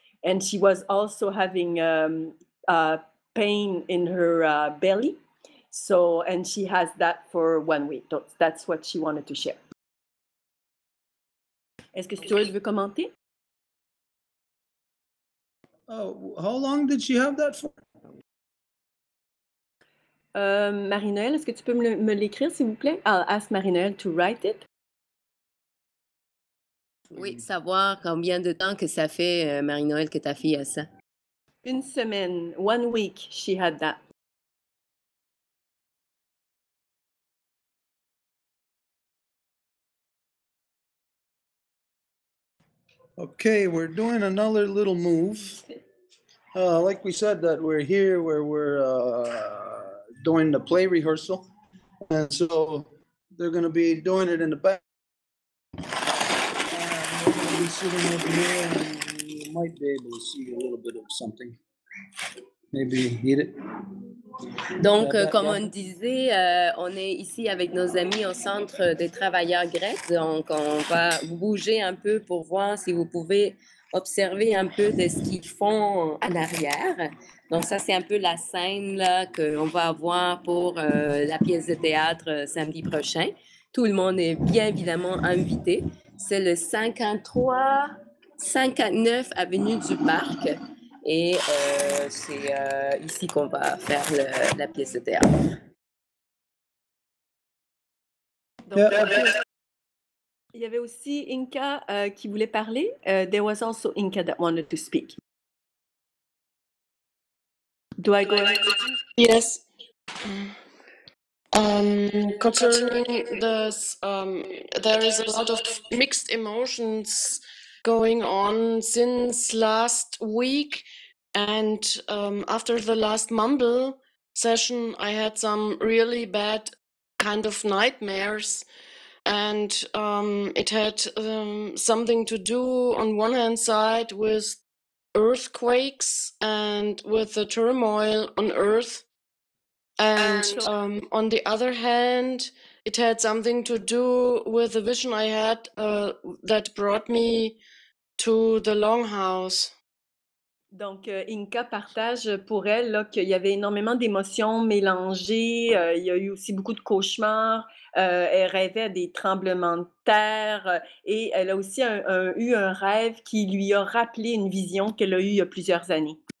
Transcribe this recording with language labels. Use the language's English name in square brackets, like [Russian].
[English] And she was also having pain in her belly. So, and she has that for 1 week. That's what she wanted to share. [French] Est-ce que Stuart veut commenter? [English] Oh, how long did she have that for? [French] Marie-Noëlle, est-ce que tu peux me l'écrire, s'il vous plaît? [English] I'll ask Marie-Noëlle to write it. [French] Oui, savoir combien de temps que ça fait, Marie-Noëlle, que ta fille a ça. Une semaine, [English] 1 week, she had that. Okay, we're doing another little move. Like we said, that we're here where we're doing the play rehearsal. And so they're going to be doing it in the back. We're going to be sitting over here and you might be able to see a little bit of something. [French] Donc, comme on disait, on est ici avec nos amis au Centre des travailleurs grecs. Donc, on va bouger un peu pour voir si vous pouvez observer un peu de ce qu'ils font en arrière. Donc, ça, c'est un peu la scène là, qu'on va avoir pour la pièce de théâtre samedi prochain. Tout le monde est bien évidemment invité. C'est le 53-59 Avenue du Parc. Et c'est ici qu'on va faire la pièce de théâtre. Donc, il y avait aussi Inka qui voulait parler. [English] There was also Inka that wanted to speak. Do I go ahead? Yes. Concerning this, there is a lot of mixed emotions going on since last week. And after the last mumble session, I had some really bad kind of nightmares. And it had something to do on one hand side with earthquakes and with the turmoil on Earth. And on the other hand, it had something to do with the vision I had that brought me to the longhouse. [French] Donc, Inka partage pour elle là, qu'il y avait énormément d'émotions mélangées. Il y a eu aussi beaucoup de cauchemars. Elle rêvait à des tremblements de terre. Et elle a aussi eu un rêve qui lui a rappelé une vision qu'elle a eue il y a plusieurs années.